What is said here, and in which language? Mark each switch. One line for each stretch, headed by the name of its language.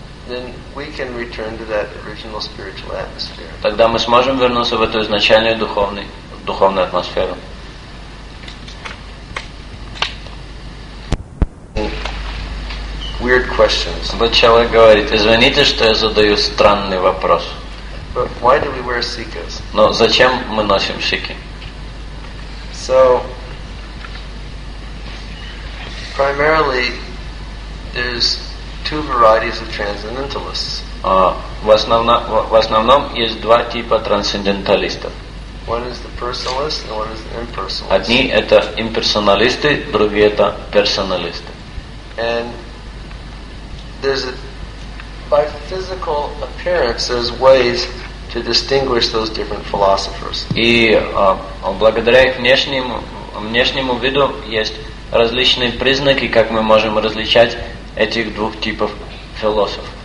English: then we can return to that original spiritual atmosphere.
Russian: Тогда мы сможем вернуться в эту изначальную духовную атмосферу.
English: Weird questions.
Russian: Вот человек говорит, извините, что я задаю странный вопрос.
English: But why do we wear sikas?
Russian: Но зачем мы носим сики?
English: So primarily, there's two varieties of transcendentalists.
Russian: В основном есть два типа трансценденталистов.
English: One is the personalist, and one is the impersonalist.
Russian: Одни это имперсоналисты, другие это персоналисты.
English: And there's by physical appearance, there's ways to distinguish those different philosophers.
Russian: И благодаря их внешнему виду есть различные признаки, как мы можем различать этих двух типов философов.